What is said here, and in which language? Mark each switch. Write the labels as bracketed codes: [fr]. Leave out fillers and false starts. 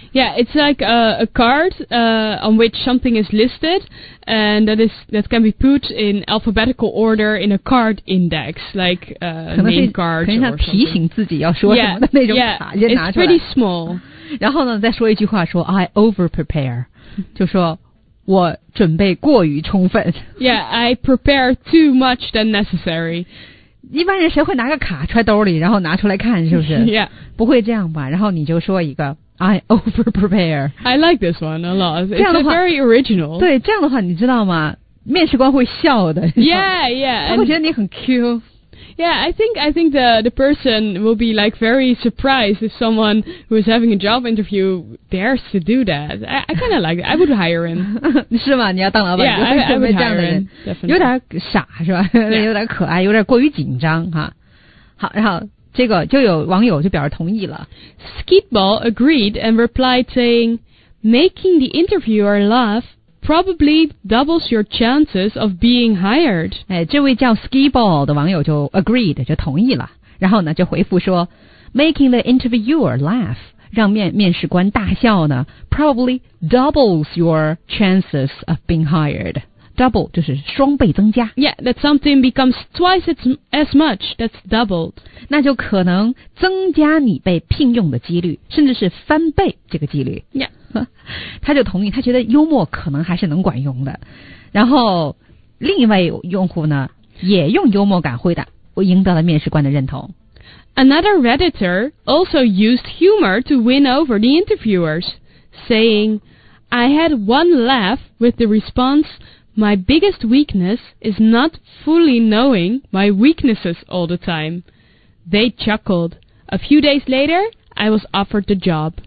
[en] Yeah, it's like a card on which something is listed and that can be put in alphabetical order in a card index, like name cards or something. [zh] 可能像提醒自己要说什么的那种卡 [en] Yeah, it's pretty small. [zh] 然后呢再说一句话说 [en] I over-prepare, [zh] 就说我准备过于充分 [en] Yeah, I prepare too much than necessary. [zh] 一般人谁会拿个卡揣兜里然后拿出来看是不是、 [en] yeah. [zh] 不会这样吧然后你就说一个 [en] I over prepare I like this one a lot It's a very original [zh] 对这样的话你知道吗面试官会笑的 [en] Yeah yeah [zh] 他会觉得你很 cute [en] Yeah I think the person will be like very surprised if someone who is having a job interview dares to do that I kind of like it I would hire him [zh] 是吗你要当老板 [en] Yeah I would hire him [zh] 有点傻是吧、 [en] yeah. [zh] 有点可爱有点过于紧张哈好然后这个就有网友就表示同意了 [en] Skeetball agreed and replied saying making the interviewer laughprobably doubles your chances of being hired. [zh] 哎，这位叫 Skiball 的网友就 agreed 就同意了，然后呢就回复说 ， [en] making the interviewer laugh [zh] 让面试官大笑呢 ， [en] probably doubles your chances of being hired. [zh] Double 就是双倍增加。 [en] Yeah, that something becomes twice as much. That's doubled. [zh] 那就可能增加你被聘用的几率，甚至是翻倍这个几率。 [en] Yeah. [zh] 他就同意他觉得幽默可能还是能管用的然后另一位用户呢也用幽默感回答我赢得了面试官的认同 [en] Another Redditor also used humor to win over the interviewers saying I had one laugh with the response My biggest weakness is not fully knowing my weaknesses all the time They chuckled A few days later I was offered the job